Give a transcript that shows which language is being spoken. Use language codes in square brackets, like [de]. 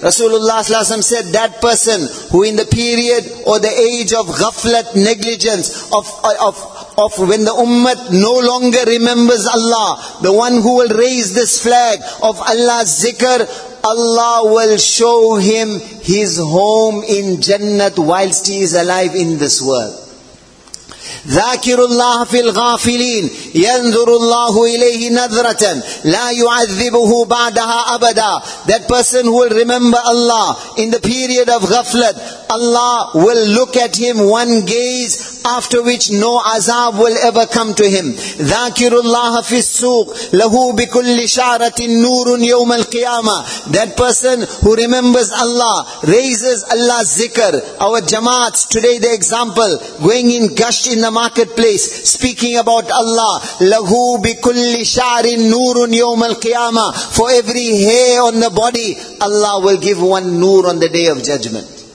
[en] Rasulullah sallallahu alaihi wasallam said, that person who in the period or the age of ghaflat, negligence, of when the ummah no longer remembers Allah, the one who will raise this flag of Allah's zikr, Allah will show him his home in Jannat whilst he is alive in this world. [ar] ذاكر الله في الغافلين ينظر الله إليه نظرة لا يعذبه بعدها أبدا. [en] That person who will remember Allah in the period of ghaflat, Allah will look at him one gaze, after which no azab will ever come to him. [ar] ذاكر الله في السوق له بكل شارة نور يوم القيامة. [en] That person who remembers Allah, raises Allah's zikr. Our jamaats, today the example, going in gush in the marketplace, speaking about Allah. [ar] لَهُ بِكُلِّ شَعْرٍ نُورٌ يَوْمَ الْقِيَامَةِ. [en] For every hair on the body, Allah will give one noor on the day of judgment.